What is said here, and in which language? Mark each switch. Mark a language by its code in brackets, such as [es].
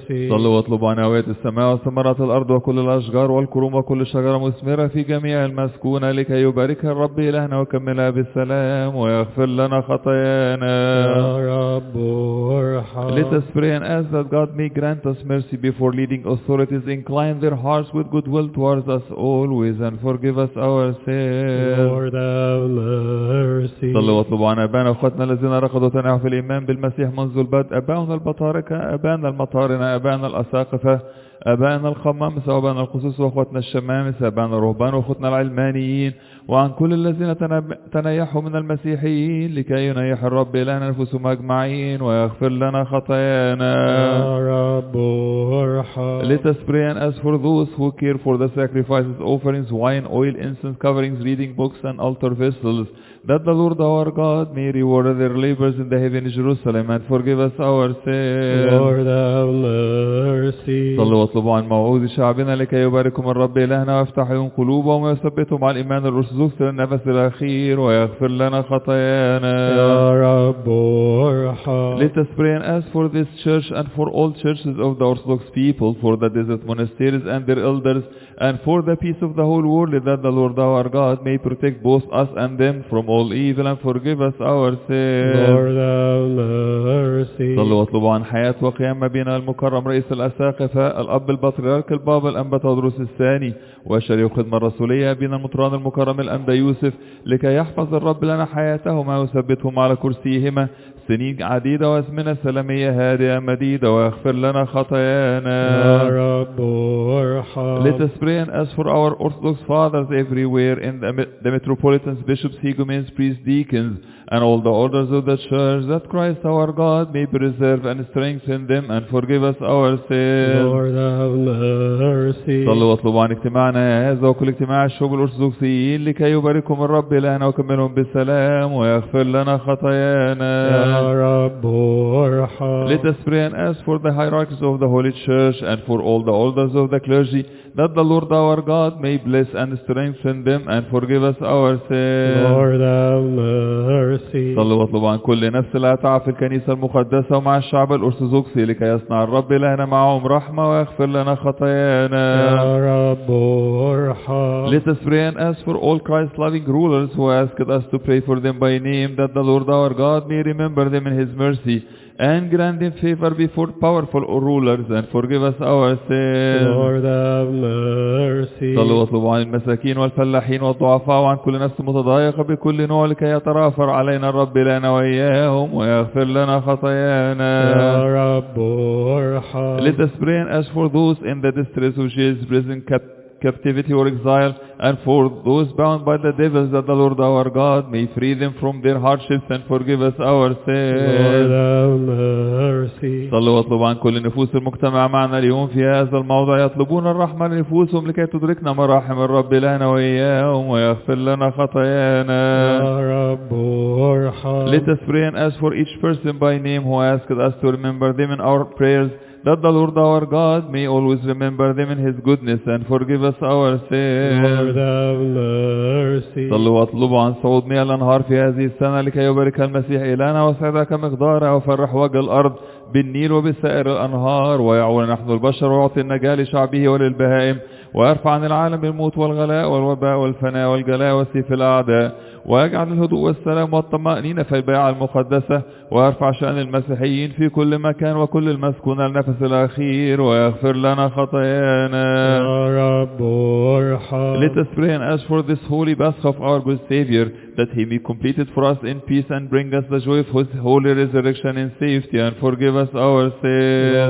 [ar] صلوا واطلبوا عناوات السماء وثمرات الأرض وكل الأشجار والكروم وكل شجرة مثمرة في جميع المسكونة لكي يباركها الرب إلهنا وكملها بالسلام ويغفر لنا خطايانا. يا رب ارحم. [en] Let us pray and ask that God may grant us mercy before leading authorities, incline their hearts with goodwill towards us always, and forgive us our sins. Lord have mercy. [ar] صلوا واطلبوا عن أبانا أخواتنا الذين رقدوا تنعوا في الإيمان بالمسيح منذ البدء, أباؤنا البطاركة, أبانا المطارنة, أبانا الأساقفة, أبانا الخمامسة, أبانا القصوص, وأخواتنا الشمامسة, أبانا الرهبان, وأخواتنا العلمانيين, وعن كل الذين تنيحوا من المسيحيين لكي ينيح الرب إلهنا أنفسهم أجمعين ويغفر لنا خطايانا. يا رب ارحم. [en] Let us pray and ask for those who care for the sacrifices, offerings, wine, oil, incense, coverings, reading books and altar vessels, that the Lord our God may reward their labors in the heaven of Jerusalem and forgive us our sins. Lord have mercy. [ar] صلوا واطلبوا عن موعود شعبنا لكي يباركهم الرب إلهنا ويفتح لهم قلوبهم ويثبتهم على الإيمان الرسول زوجت النفس الأخير ويغفر لنا خطايانا. يا رب ارحم. [en] Let us pray and ask for this church and for all churches of the Orthodox people, for the desert monasteries and their elders, and for the peace of the whole world, that the Lord our God may protect both us and them from all evil and forgive us our sins. Lord have mercy. [ar] صلوا واطلبوا عن حياة وقيام بين المكرم رئيس الأساقفة الأب البطريرك البابا الأنبا تودروس الثاني وشريخ خدمة الرسولية بين المطران المكرم الأنبا يوسف لكي يحفظ الرب لنا حياتهما ويثبتهم على كرسيهما سنين عديدة وأزمنة سلامية هادئة مديدة ويغفر لنا خطايانا. يا رب ارحم. [en] Let us pray and ask for our Orthodox fathers everywhere in the metropolitans, bishops, higumens, priests, deacons, and all the orders of the church, that Christ our God may preserve and strengthen them and forgive us our sins. Lord have mercy. [ar] صلوا واطلبوا عن اجتماعنا هذا وكل اجتماع الشعوب الأرثوذكسيين لكي يباركهم الرب إلهنا ويكملهم بالسلام ويغفر لنا خطايانا. يا رب ارحم. [en] Let us pray and ask for the hierarchies of the Holy Church and for all the elders of the clergy, that the Lord our God may bless and strengthen them and forgive us our sins. Lord have mercy. [ar] صلوا واطلبوا عن كل نفس لا تعف في الكنيسة المقدسة ومع الشعب الأرثوذكسي لكي يصنع الرب لنا معهم رحمة ويغفر لنا خطايانا. يا رب ارحم. [en] Let us pray and ask for all Christ loving rulers who asked us to pray for them by name, that the Lord our God may remember them in His mercy and grant them favor before powerful rulers and forgive us our sins. Lord have mercy. [ar] صلوا واطلبوا عن المساكين والفلاحين والضعفاء وعن كل نفس متضايقة بكل نوع لكي يترافر علينا الرب لنا وإياهم ويغفر لنا خطايانا. يا رب ارحم. [en] Let us pray and ask for those in the distress of Jesus' prison captivity or exile, and for those bound by the devils, that the Lord our God may free them from their hardships and forgive us our sins. Mercy. [ar] صلوا واطلبوا عن كل نفوس المجتمع معنا اليوم في هذا الموضوع يطلبون الرحمة لنفوسهم لكي تدركنا مراحم الرب لنا وإياهم ويغفر لنا خطايانا. رب ارحم. [en] Let us pray and ask for each person by name who asked us to remember them in our prayers, that the Lord our God may always remember them in His goodness and forgive us our sins. Lord have mercy. [ar] صلوا واطلبوا عن صعود مياه الأنهار في هذه السنة لكي يبارك المسيح إلهنا وسعدك مقدارها وفرح وجه الأرض بالنيل وبسائر الأنهار ويعول نحن البشر ويعطي النجاة لشعبه وللبهائم ويرفع عن العالم الموت والغلاء والوباء والفناء والجلاء وسيف الأعداء ويجعل الهدوء والسلام والطمأنينة في البيعة المقدسة ويرفع شأن المسيحيين في كل مكان وكل المسكون النفس الأخير ويغفر لنا خطايانا. يا رب ارحم. [en] Let us pray and ask for this holy Pasch of our good Savior, that He may complete it for us in peace and bring us the joy of His holy resurrection in safety, and forgive us our sins.